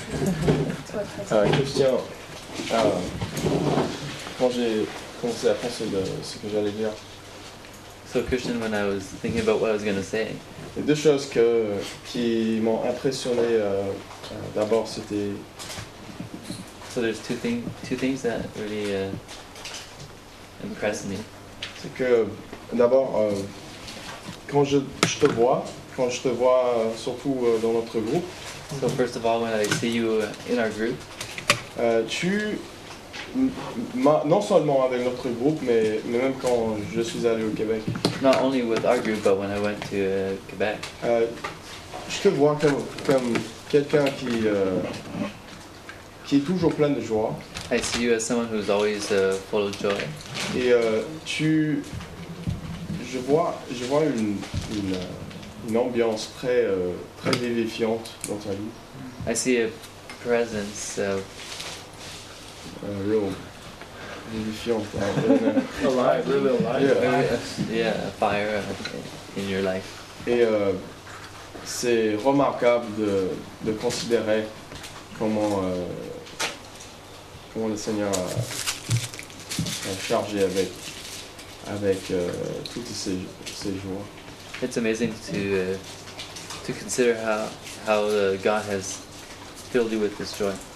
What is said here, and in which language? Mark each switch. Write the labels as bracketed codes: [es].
[fr] Christian, quand j'ai commencé à penser de ce que j'allais dire. [en] So Christian, when I was thinking about what I was going to say. [fr] Les deux choses que qui m'ont impressionné d'abord c'était. [en] So there's two things that really impressed me. [fr] C'est que d'abord quand je te vois. Quand je te vois surtout dans notre groupe. [en] So first of all, when I see you in our group, [fr] tu non seulement avec notre groupe, mais même quand je suis allé au Québec. [en] Not only with our group, but when I went to Québec. [fr] Je te vois comme quelqu'un qui est toujours plein de joie. [en] I see you as someone who's always full of joy. [fr] Et je vois une ambiance très très vivifiante dans ta vie. [en] I see a presence of real vivifiante. Alive, really alive. Yeah, a fire in your life. [fr] Et c'est remarquable de considérer comment le Seigneur a chargé avec toutes ces joies. [en] It's amazing to consider how God has filled you with this joy.